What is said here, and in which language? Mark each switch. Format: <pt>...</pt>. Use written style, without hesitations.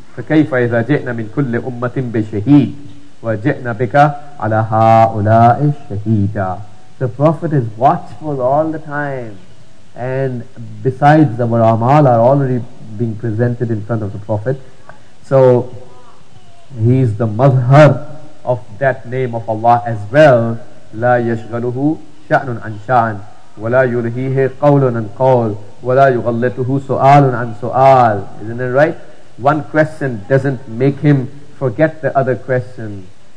<ar>فَكَيْفَ إِذَا جِئْنَا مِنْ كُلِّ أُمَّةٍ بِشَهِيدٍ وَجِئْنَا بِكَ عَلَى هَؤُلَاءِ شَهِيدًا.</ar> <en>The Prophet is watchful all the time, and besides, our amal are already being presented in front of the Prophet. So he is the mazhar of that name of Allah as well.</en> <ar>لا يشغله شأن عن شأن ولا يلهيه قول عن قول ولا يغلطه سؤال عن سؤال.</ar> <en>Isn't it right? One question doesn't make him forget the other question.</en>